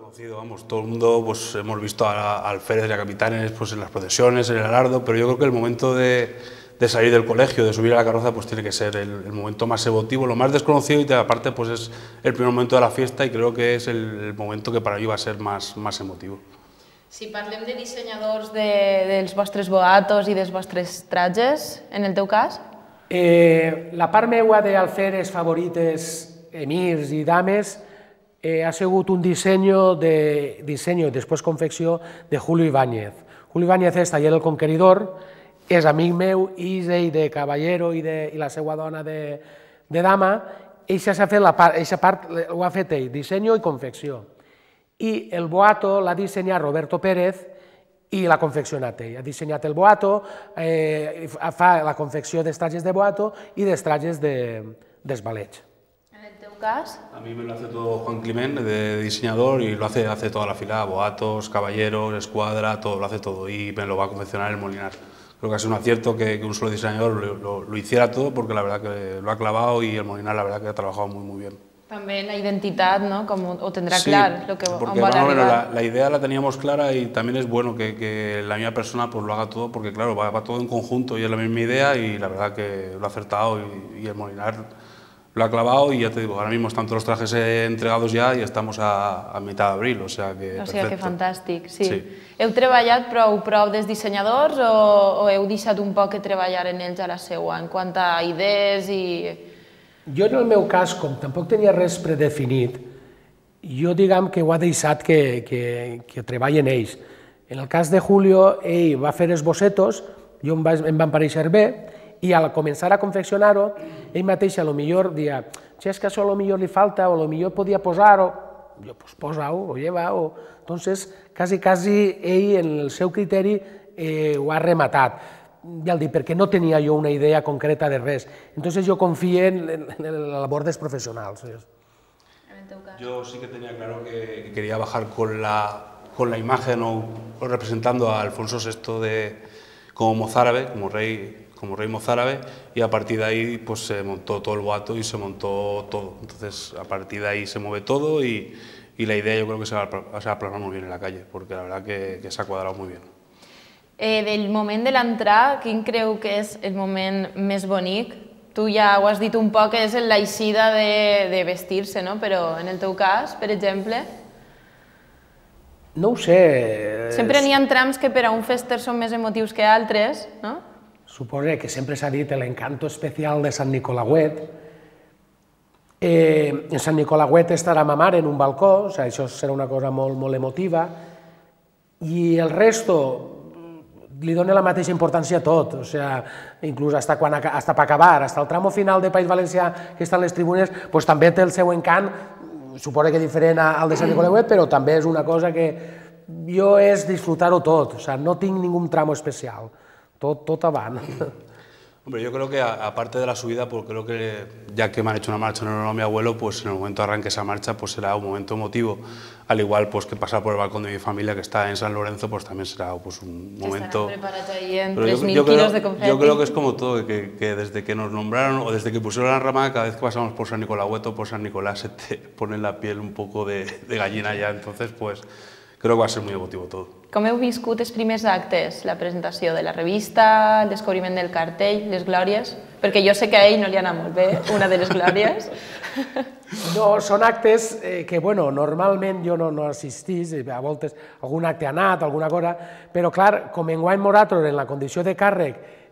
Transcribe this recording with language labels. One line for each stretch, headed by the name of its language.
Spanish: Vamos, todo el mundo pues, hemos visto a Alférez y a Capitanes pues, en las procesiones, en el alardo, pero yo creo que el momento de salir del colegio, de subir a la carroza, pues tiene que ser el momento más emotivo, lo más desconocido y aparte pues, es el primer momento de la fiesta y creo que es el momento que para mí va a ser más emotivo.
Catalan: Si parlem de dissenyadors dels vostres boatos i dels vostres trajes, en el teu cas? La part meua d'Alférez favorites, emirs i dames, ha sigut un disseny i després confecció de Julio Ibáñez. Julio Ibáñez és taller del Conqueridor, és amic meu, i és ell de Caballero i la seva dona de dama, i aquesta part ho ha fet ell, disseny i confecció. I el boato l'ha dissenyat Roberto Pérez i l'ha confeccionat ell. Ha dissenyat el boato, fa la confecció dels trajes de boato i dels trajes dels ballets.
Spanish: A mí me lo hace todo Juan Climent, de diseñador, y lo hace toda la fila, boatos, caballeros, escuadra, todo, lo hace todo, y me lo va a confeccionar el Molinar. Creo que ha sido un acierto que un solo diseñador lo hiciera todo, porque la verdad que lo ha clavado y el Molinar la verdad que ha trabajado muy, muy bien. También la identidad, ¿no? Como, o tendrá sí, claro lo que porque, va a arribar. Bueno, la idea la teníamos clara y también es bueno que la misma persona pues, lo haga todo, porque claro, va todo en conjunto y es la misma idea, y la verdad que lo ha acertado y el Molinar... lo ha clavado y ya te digo, ahora mismo están todos los trajes entregados ya y estamos a mitad de abril, o sea que perfecto. O sea que fantàstic, sí.
Catalan: Heu treballat prou des dissenyadors o heu deixat un poc que treballar en ells a la seua en quant a idees i... Jo en el meu cas, com tampoc tenia res predefinit, jo diguem que ho ha deixat que treballen ells. En el cas de Julio, ell va fer els bocetos, jo em van pareixer bé, i al començar a confeccionar-ho, ell mateix a lo millor dia, és que això a lo millor li falta, o a lo millor podia posar-ho, jo, doncs posa-ho, o lleva-ho. Entonces, quasi ell, en el seu criteri, ho ha rematat. Ja el dic, perquè no tenia jo una idea concreta de res. Entonces, jo confio en la labor dels professionals.
Spanish: Yo sí que tenía claro que quería bajar con la imagen o representando a Alfonso VI como mozárabe, como rey mozárabe, y a partir de ahí pues se montó todo el boato y se montó todo. Entonces, a partir de ahí se mueve todo y la idea yo creo que se va a plasmar muy bien en la calle, porque la verdad que se ha cuadrado muy bien.
Catalan: Del moment de l'entrada, quin creu que és el moment més bonic? Tu ja ho has dit un poc, és l'eixida de vestir-se, no? Però en el teu cas, per exemple? No ho sé. Sempre n'hi ha trams que per a un fester són més emotius que altres, no? Suposo que sempre s'ha dit l'encanto especial de Sant Nicolauet. En Sant Nicolauet estarà ma mare en un balcó, o sigui, això serà una cosa molt, molt emotiva. I el resto... li dona la mateixa importància a tot, o sigui, inclús fins per acabar, fins al tramo final de País Valencià, que estan les tribunes, doncs també té el seu encant, suposo que diferent al de Sant Nicolauet, però també és una cosa que jo és disfrutar-ho tot, o sigui, no tinc ningú tramo especial, tot avant.
Spanish: Hombre, yo creo que aparte de la subida, pues creo que ya que me han hecho una marcha en honor a mi abuelo, pues en el momento de arranque esa marcha, pues será un momento emotivo. Al igual pues que pasar por el balcón de mi familia que está en San Lorenzo, pues también será pues un momento... Que estarán preparados ahí en 3.000 kilos de confeti. Yo creo que es como todo, que desde que nos nombraron o desde que pusieron la ramada, cada vez que pasamos por San Nicolauet o por San Nicolás, se te pone la piel un poco de gallina ya. Entonces, pues creo que va a ser muy emotivo todo.
Catalan: Com heu viscut els primers actes? La presentació de la revista, el descobriment del cartell, les glòries? Perquè jo sé que a ell no li ha anat molt bé una de les glòries. No, són actes que, bueno, normalment jo no assistís, a voltes algun acte ha anat, alguna cosa, però clar, com en Guany Morator, en la condició de càrrec,